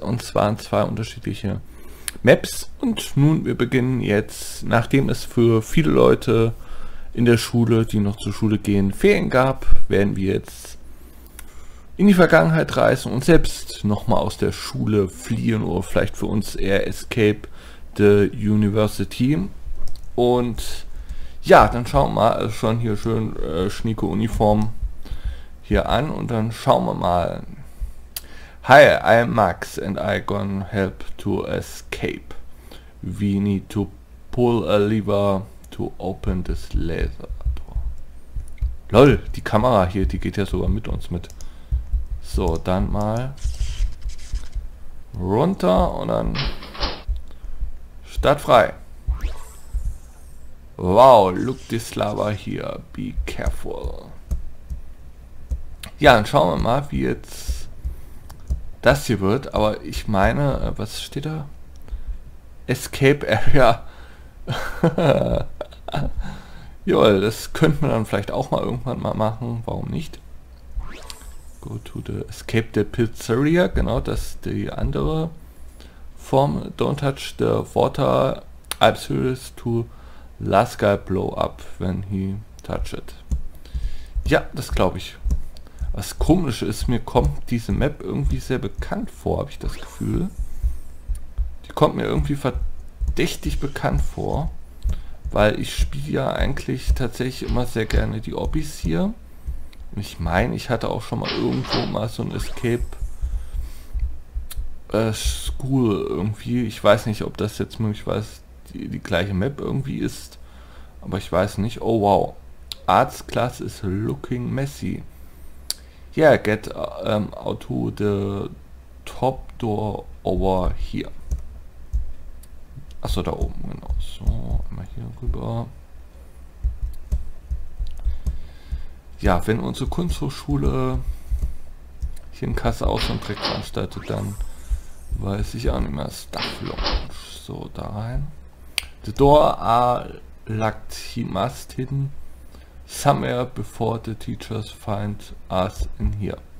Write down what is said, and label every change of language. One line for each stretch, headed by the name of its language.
German: Und zwar in zwei unterschiedliche Maps. Und nun, wir beginnen jetzt, nachdem es für viele Leute in der Schule, die noch zur Schule gehen, Ferien gab, werden wir jetzt in die Vergangenheit reisen und selbst nochmal aus der Schule fliehen oder vielleicht für uns eher Escape the University. Und ja, dann schauen wir mal schon hier schön schnieke Uniform hier an und dann schauen wir mal.
English: Hi, I'm Max and I gonna help to escape. We need to pull a lever to open this laser door.
German: Lol, die Kamera hier, die geht ja sogar mit uns mit. So, dann mal runter und dann Start frei.
English: Wow, look this lava here, be careful.
German: Ja, dann schauen wir mal, wie jetzt das hier wird. Aber ich meine, was steht da? Escape Area. Jawohl, das könnte man dann vielleicht auch mal irgendwann mal machen. Warum nicht?
English: Go to the Escape the Pizzeria.
German: Genau, das ist die andere Form.
English: Don't touch the water. I'm serious to... Last guy blow up when he touch it.
German: Ja, das glaube ich. Was komisch ist, mir kommt diese Map irgendwie sehr bekannt vor, habe ich das Gefühl. Die kommt mir irgendwie verdächtig bekannt vor, weil ich spiele ja eigentlich tatsächlich immer sehr gerne die Obbys hier. Und ich meine, ich hatte auch schon mal irgendwo mal so ein Escape School irgendwie. Ich weiß nicht, ob das jetzt möglich war. Die gleiche Map irgendwie ist, aber ich weiß nicht.
English: Oh wow, Arts Class is looking messy. Yeah, get out to the top door over here.
German: Achso, da oben, genau. So, einmal hier rüber. Ja, wenn unsere Kunsthochschule hier in Kassel auch so einen Dreck veranstaltet, dann weiß ich auch nicht mehr. Staff Lounge, so da rein.
English: The door are locked, he must hidden somewhere before the teachers find us in here.